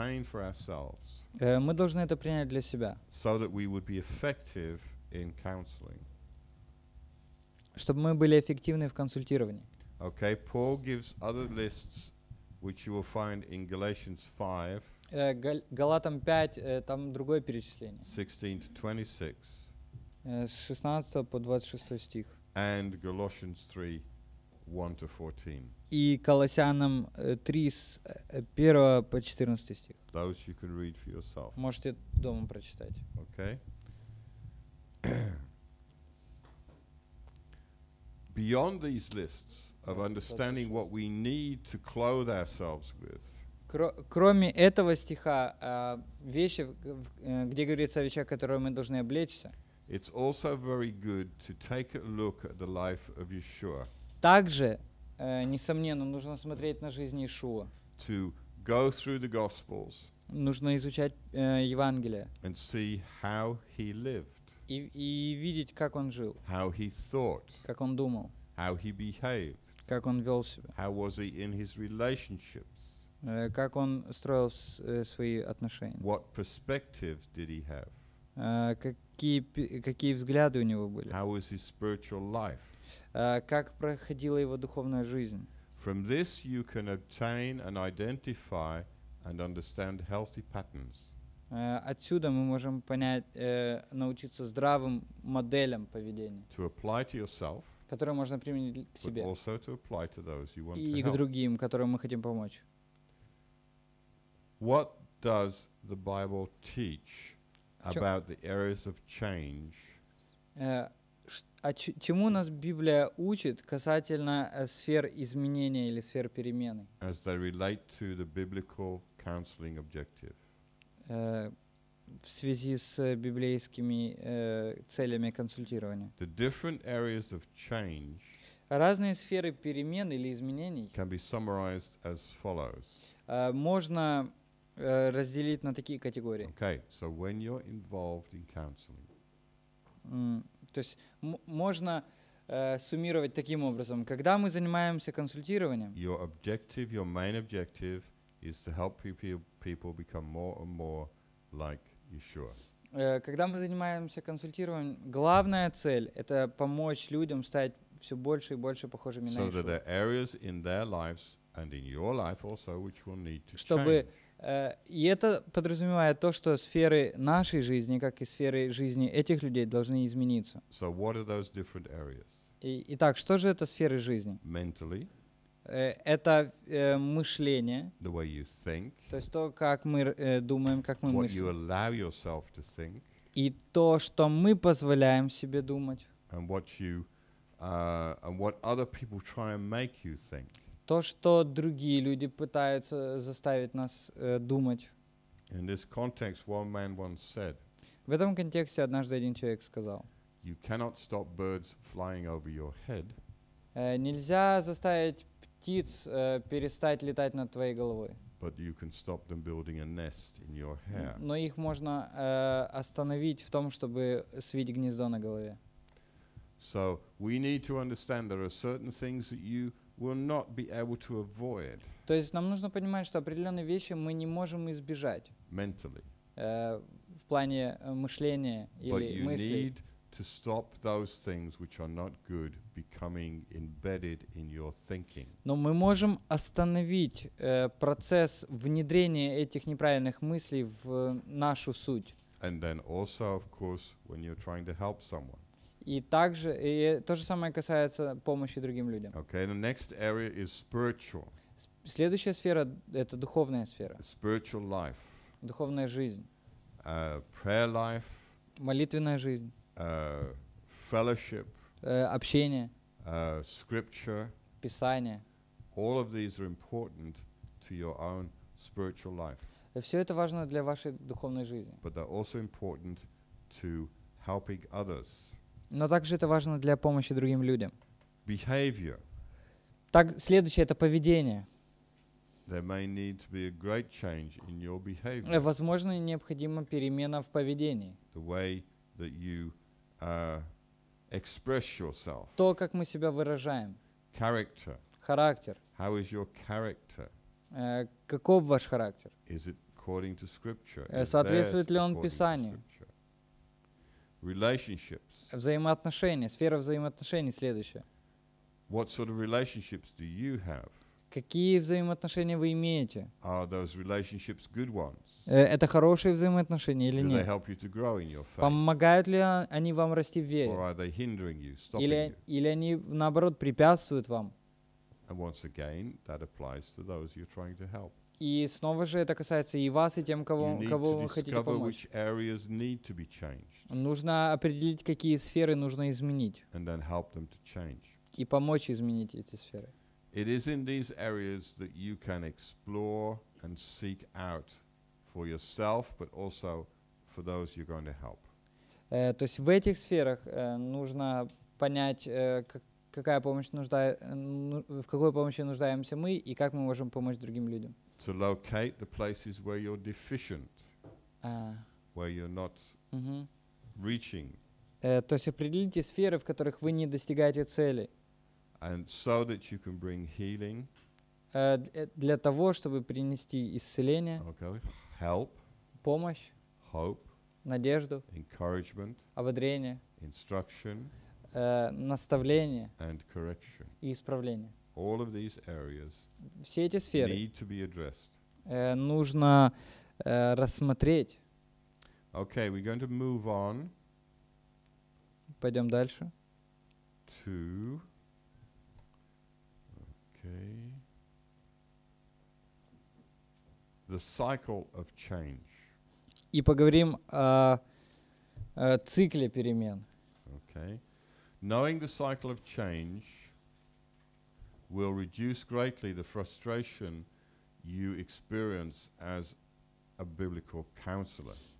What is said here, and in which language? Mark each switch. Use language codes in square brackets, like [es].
[ru] Мы должны это принять для себя, [en] so that we would be effective in counseling. [ru] Чтобы мы были эффективны в консультировании. [en] Okay, Paul gives other lists, which you will find in Galatians 5. [ru] Галатам 5, там другое перечисление. [en] 16-26. [ru] С 16 по 26 стих. [en] And Galatians 3, 1-14. [ru] И Колоссянам 3, с 1 по 14 стих. [en] Those you can read for yourself. [ru] Можете дома прочитать. [en] Okay. Beyond these lists of understanding what we need to clothe ourselves with, [ru] кроме этого стиха, вещи, где говорится о вещах, которые мы должны облечься, [en] it's also very good to take a look at the life of Yeshua. [ru] Также, несомненно, нужно смотреть на жизнь Иешуа. [en] To go through the Gospels. [ru] Нужно изучать Евангелие. [en] And see how he lived. [ru] И видеть, как он жил. [en] How he thought. [ru] Как он думал. [en] How he behaved. [ru] Как он вел себя. [en] How was he in his relationships? [ru] Как он строил свои отношения. [en] What perspective did he have? [ru] Какие взгляды у него были? [en] How was his spiritual life? [ru] Как проходила его духовная жизнь? [en] From this you can obtain and identify and understand healthy patterns. [ru] Отсюда мы можем понять, научиться здравым моделям поведения. [en] To apply to yourself, [ru] которые можно применить к себе. [en] But also to apply to those you want to help. [ru] И к другим, которым мы хотим помочь. [en] What does the Bible teach about the areas of change [ru] А чему нас Библия учит касательно сфер изменения или сфер перемены? [en] As they relate to the biblical counseling objective. [ru] В связи с библейскими целями консультирования. [en] The different areas of change. [ru] Разные сферы перемен или изменений [en] can be summarized as follows. [ru] Можно разделить на такие категории. [en] Okay, so when you're involved in counseling. [ru] То есть можно суммировать таким образом. Когда мы занимаемся консультированием, [en] your objective, your main objective is to help people become more and more like Yeshua. [ru] Когда мы занимаемся консультированием, главная цель – это помочь людям стать все больше и больше похожими [en] so [ru] на Иешуа. [en] Also, [ru] чтобы, и это подразумевает то, что сферы нашей жизни, как и сферы жизни этих людей, должны измениться. [en] So what are those different areas? [ru] Итак, что же это сферы жизни? [en] Mentally, [ru] это мышление, [en] the way you think, [ru] то есть то, как мы думаем, как мы мыслим, [en] you allow yourself to think, [ru] и то, что мы позволяем себе думать, [en] and what you and what other people try and make you think. [ru] То, что другие люди пытаются заставить нас думать. [en] In this context, one man once said. [ru] В этом контексте однажды один человек сказал. [en] You cannot stop birds flying over your head. [ru] Нельзя заставить птиц перестать летать над твоей головой. [en] But you can stop them building a nest in your hair. [ru] Но их можно остановить в том, чтобы свить гнездо на голове. [en] So we need to understand there are certain things that you will not be able to avoid. [ru] То есть нам нужно понимать, что определенные вещи мы не можем избежать. [en] Mentally. [ru] В плане мышления или мыслей. [en] But you need to stop those things which are not good becoming embedded in your thinking. [ru] Но мы можем остановить процесс внедрения этих неправильных мыслей в нашу суть. [en] And then also, of course, when you're trying to help someone. [ru] И также и то же самое касается помощи другим людям. [en] Okay, the next area is spiritual. [ru] Следующая сфера — это духовная сфера. [en] Spiritual life. [ru] Духовная жизнь. [en] Prayer life. [ru] Молитвенная жизнь. [en] Fellowship. [ru] Общение. [en] Scripture. [ru] Писание. [en] All of these are important to your own spiritual life. [ru] Все это важно для вашей духовной жизни. [en] But they're also important to helping others. [ru] Но также это важно для помощи другим людям. [en] Behavior. [ru] Так, следующее — это поведение. [en] There may need to be a great change in your behavior. [ru] Возможно, необходима перемена в поведении. [en] The way that you express yourself. [ru] То, как мы себя выражаем. [en] Character. [ru] Характер. [en] How is your character? [ru] Каков ваш характер? [en] Is it according to scripture? [ru] Соответствует ли он Писанию? [en] Relationships. [ru] Взаимоотношения. Сфера взаимоотношений следующая. [en] What sort of relationships do you have? [ru] Какие взаимоотношения вы имеете? [en] Are those relationships good ones? [ru] Это хорошие взаимоотношения или [en] do [ru] нет? [en] They help you to grow in your faith? [ru] Помогают ли они вам расти в вере? [en] Or are they hindering you, stopping [ru] или, [en] you? [ru] Или они, наоборот, препятствуют вам? [en] And once again, that applies to those you're trying to help. [ru] И снова же это касается и вас, и тем, кого вы хотите помочь. [en] Which areas need to be changed. [ru] Нужно определить, какие сферы нужно изменить. [en] And then help them to change. [ru] И помочь изменить эти сферы. [en] It is in these areas that you can explore and seek out for yourself, but also for those you're going to help. [ru] То есть в этих сферах нужно понять, как какая помощь в какой помощи нуждаемся мы и как мы можем помочь другим людям. [en] To locate the places where you're deficient, where you're not reaching. [ru] То есть определите сферы, в которых вы не достигаете цели. [en] And so that you can bring healing. [ru] Для того, чтобы принести исцеление. [en] Okay. Help. [ru] Помощь. [en] Hope. [ru] Надежду. [en] Encouragement. [ru] Ободрение. [en] Instruction. [ru] Наставление [en] and correction. [ru] И исправление. [en] All of these areas [ru] все эти сферы [en] need to be addressed. [ru] Нужно рассмотреть. [en] Okay, we're going to move on. [ru] Пойдем дальше. [en] To okay. The cycle of change. [ru] И поговорим о цикле перемен. [en] Okay. Knowing the cycle of change will reduce greatly the frustration you experience as a biblical counselor.